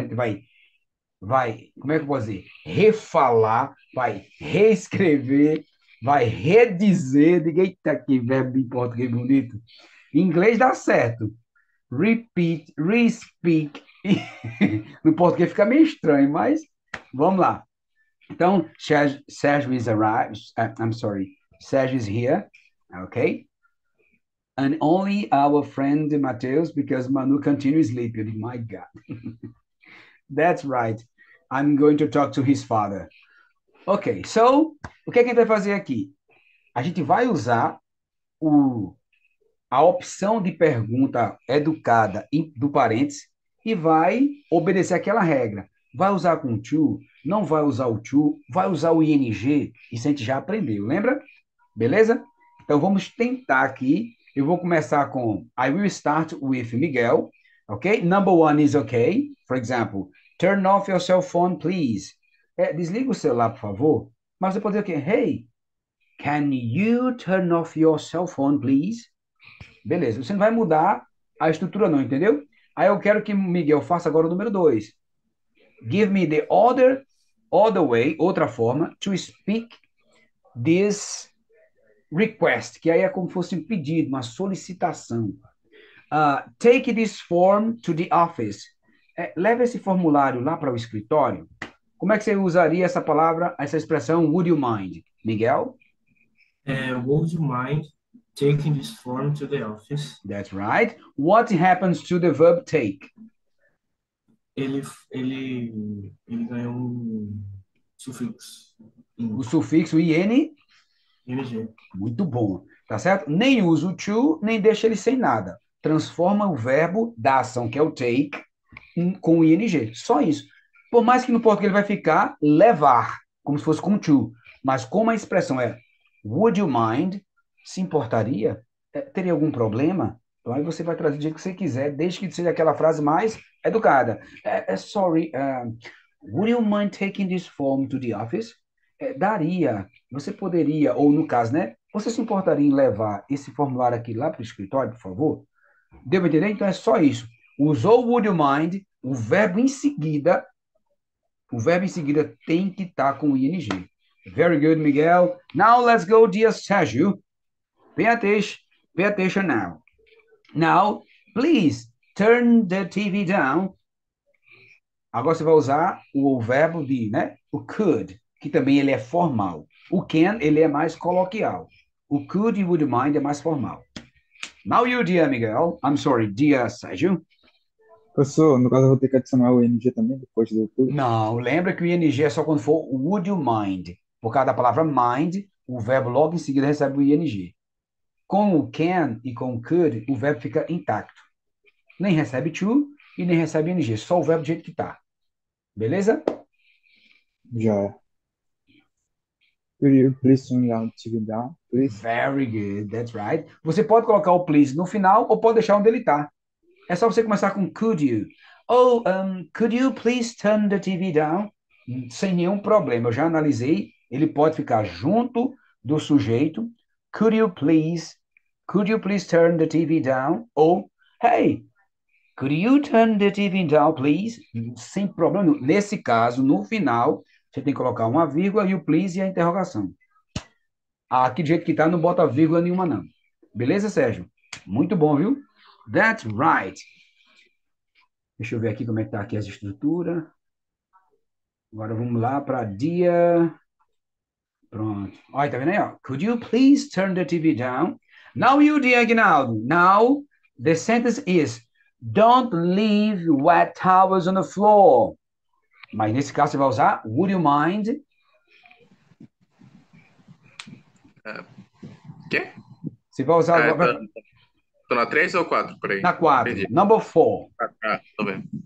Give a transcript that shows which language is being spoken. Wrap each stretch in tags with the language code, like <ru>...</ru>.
<pt>A gente como é que eu posso dizer? Refalar, vai reescrever, vai redizer. Diga, eita, que verbo em português bonito. Em inglês dá certo.</pt> <en>Repeat, re-speak.</en> <pt>No português fica meio estranho, mas vamos lá. Então,</pt> <en>Sérgio is arrived. I'm sorry. Sérgio is here. Okay? And only our friend Mateus, because Manu continues sleeping. My God. That's right. I'm going to talk to his father. Okay, so,</en> <pt>o que é que a gente vai fazer aqui? A gente vai usar a opção de pergunta educada do parênteses e vai obedecer aquela regra. Vai usar com to, não vai usar o to, vai usar o ing, isso a gente já aprendeu, lembra? Beleza? Então vamos tentar aqui. Eu vou começar com</pt> <en>I will start with Miguel, ok? Number one is okay. For example, turn off your cell phone, please.</en> <pt>É, desliga o celular, por favor. Mas você pode dizer o quê?</pt> <en>Hey, can you turn off your cell phone, please?</en> <pt>Beleza, você não vai mudar a estrutura não, entendeu? Aí eu quero que Miguel faça agora o número 2.</pt> <en>Give me the other way,</en> <pt>outra forma,</pt> <en>to speak this request,</en> <pt>que aí é como fosse um pedido, uma solicitação.</pt> <en>Take this form to the office</en> <pt>Leva esse formulário lá para o escritório. Como é que você usaria essa palavra, essa expressão,</pt> <en>would you mind,</en> <pt>Miguel?</pt> <en>Would you mind taking this form to the office? That's right. What happens to the verb take?</en> <pt>Ele ganhou um sufixo O ing. sufixo IN? NG. Muito bom. Tá certo? Nem usa o to, nem deixa ele sem nada. Transforma o verbo da ação, que é o take, com o ING. Só isso. Por mais que no português ele vai ficar levar, como se fosse com to. Mas como a expressão é</pt> <en>would you mind,</en> <pt>se importaria? Teria algum problema? Então aí você vai trazer o jeito que você quiser, desde que seja aquela frase mais educada.</pt> <en>Sorry, would you mind taking this form to the office?</en> <pt>Daria, você poderia, ou no caso, né? Você se importaria em levar esse formulário aqui lá para o escritório, por favor? Deu para entender? Então é só isso. Usou o</pt> <en>would you mind,</en> <pt>o verbo em seguida. O verbo em seguida tem que estar com o ing.</pt> <en>Very good, Miguel. Now let's go, dear Sergio. Pay attention now. Now, please turn the TV down.</en> <pt>Agora você vai usar o verbo be, né? O could, que também ele é formal. O can, ele é mais coloquial. O could e would mind é mais formal.</pt> <en>Now you, dear Miguel. I'm sorry, dear Sérgio.</en> <pt>Professor, no caso eu vou ter que adicionar o NG também depois do tudo. Não, lembra que o ing é só quando for</pt> <en>would you mind.</en> <pt>Por causa da palavra mind, o verbo logo em seguida recebe o ing. Com o can e com o could, o verbo fica intacto. Nem recebe to e nem recebe ing. Só o verbo do jeito que está. Beleza? Já.</pt> <en>Could you please turn down the TV down, please? Very good, that's right.</en> <pt>Você pode colocar o please no final ou pode deixar onde ele está. É só você começar com</pt> <en>could you. Oh, could you please turn the TV down?</en> <pt>Sem nenhum problema. Eu já analisei. Ele pode ficar junto do sujeito.</pt> <en>Could you please turn the TV down? Ou, hey, could you turn the TV down, please?</en> <pt>Sem problema. Nesse caso, no final, você tem que colocar uma vírgula e o please e a interrogação. Aqui, do jeito que está, não bota vírgula nenhuma, não. Beleza, Sérgio? Muito bom, viu?</pt> <en>That's right.</en> <pt>Deixa eu ver aqui como é que está aqui as estruturas. Agora vamos lá para dia. Pronto. Olha, tá vendo aí? Ó?</pt> <en>Could you please turn the TV down? Now you, dear Aguinaldo. Now the sentence is: don't leave wet towels on the floor.</en> <pt>Mas nesse caso você vai usar:</pt> <en>would you mind?</en> <pt>Quê? Você vai usar Ah, agora. tô na 3 ou 4, por aí. Na 4, Perdi.</pt> <en>number 4.</en> <pt>Ah, tô vendo.</pt>